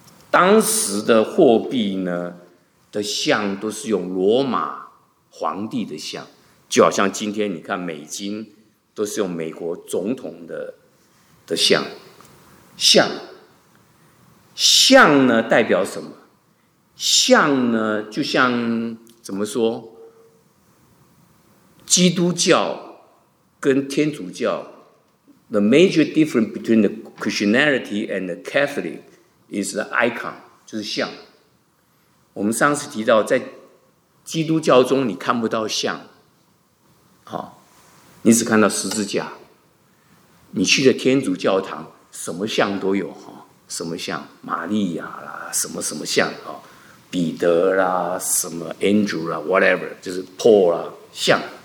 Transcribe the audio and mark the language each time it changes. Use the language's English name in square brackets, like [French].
[Chinese] 当时的货币呢的像都是用罗马皇帝的像，就好像今天你看美金都是用美国总统的像。像呢代表什么？像呢，就像怎么说，基督教跟天主教 [English] The major difference between the Christianity and the Catholic is the icon， [Chinese] 就是像。我们上次提到在基督教中你看不到像，你只看到十字架。你去的天主教堂什么像都有，什么像玛利亚啦，什么什么像彼得啦，什么 Andrew 啦 whatever， 就是 Paul 啦，像。